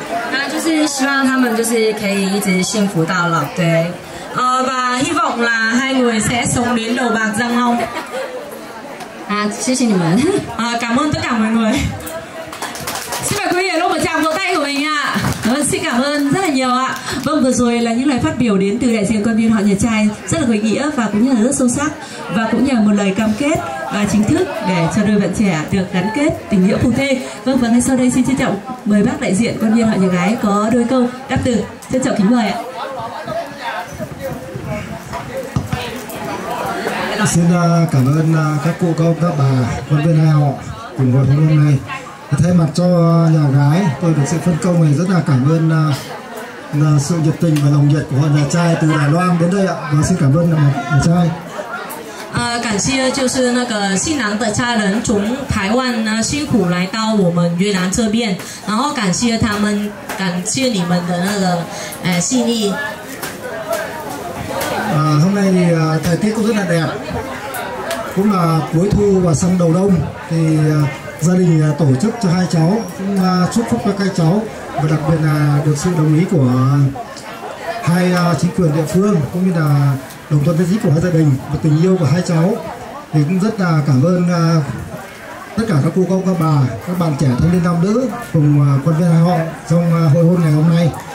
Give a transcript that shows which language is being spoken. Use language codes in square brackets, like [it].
[zh] 那就是希望他们就是可以一直幸福到老，对。 [vi] và hy vọng là hai người sẽ sống đến đầu bạc răng long. [zh] 啊，谢谢你们。 [vi] 啊，cảm ơn tất cả mọi người. Xin mời quý vị lúc một tràng vỗ tay của mình ạ. Xin cảm ơn rất là nhiều ạ. Vâng, vừa rồi là những lời phát biểu đến từ đại diện quan viên họ nhà trai rất là có ý nghĩa và cũng như là rất sâu sắc, và cũng như là một lời cam kết chính thức để cho đôi bạn trẻ được gắn kết tình nghĩa phu thê. Vâng, và ngay sau đây xin trân trọng mời bác đại diện quan viên họ nhà gái có đôi câu đáp từ. Trân trọng kính mời ạ. Xin cảm ơn các cô công các bà quan viên hai họ cùng vui hôm nay. Thay mặt cho nhà gái, tôi được sự phân công này rất là cảm ơn sự nhiệt tình và lòng nhiệt của họ nhà trai từ Đài Loan đến đây ạ. Và xin cảm ơn nhà trai. Cảm ơn, [zh] 就是那个新郎的家人从台湾呢辛苦来到我们越南这边，然后感谢他们，感谢你们的那个心意。 [vi] Hôm nay thì thời tiết cũng rất là đẹp, cũng là cuối thu và sang đầu đông thì gia đình tổ chức cho hai cháu, cũng chúc phúc cho các cháu, và đặc biệt là được sự đồng ý của hai chính quyền địa phương cũng như là đồng thuận nhất trí của hai gia đình và tình yêu của hai cháu, thì cũng rất là cảm ơn tất cả các cô công các bà, các bạn trẻ thanh niên nam nữ cùng quan viên họ trong hội hôn ngày hôm nay.